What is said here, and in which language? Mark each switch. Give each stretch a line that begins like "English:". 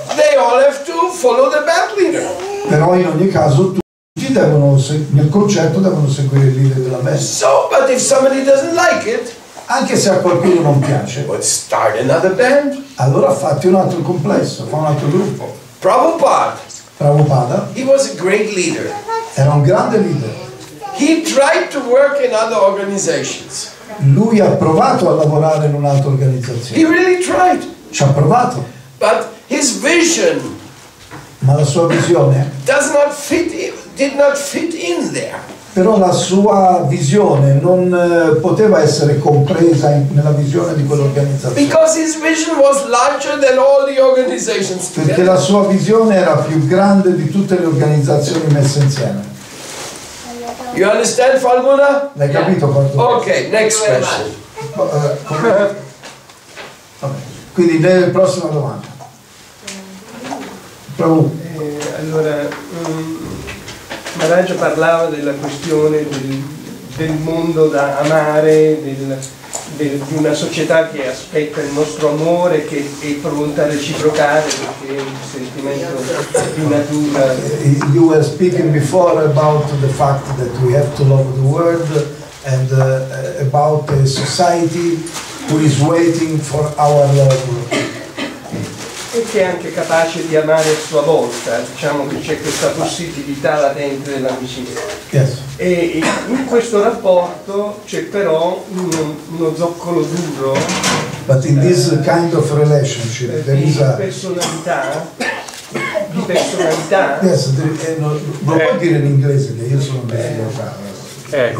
English: They all have to follow the band leader.
Italian: Però in ogni caso nel concerto devono seguire il leader della band.
English: So, but if somebody doesn't like it,
Italian: anche se a qualcuno non piace,
English: but start another band.
Italian: Allora fatti un altro complesso, fa un altro gruppo.
English: Prabhupada. He was a great leader.
Italian: Era un grande leader.
English: He tried to work in other organizations.
Italian: Lui ha provato a lavorare in un'altra organizzazione.
English: He really tried.
Italian: Ci ha provato.
English: But his vision.
Italian: Ma la sua visione.
English: Does not fit. Did not fit in there.
Italian: Però la sua visione non poteva essere compresa nella visione di quell'organizzazione.
English: Because his vision was larger than all the organizations.
Italian: Perché la sua visione era più grande di tutte le organizzazioni messe insieme.
English: You understand, Falguna?
Italian: L'hai capito, Falguna?
English: Okay, next question.
Italian: Quindi prossima domanda. Prego. Allora, Maharaj parlava della questione del mondo da amare, di una società che aspetta il nostro amore, che è pronta a reciprocare, perché è un sentimento di natura.
English: You were speaking before about the fact that we have to love the world and about a society who is waiting for our love.
Italian: E che è anche capace di amare a sua volta, diciamo che c'è questa possibilità latente dell'amicizia.
English: Yes.
Italian: E in questo rapporto c'è però uno zoccolo duro.
English: But in this kind of relationship there is a
Italian: personalità. Di personalità. Yes, lo puoi dire in inglese che io sono meglio.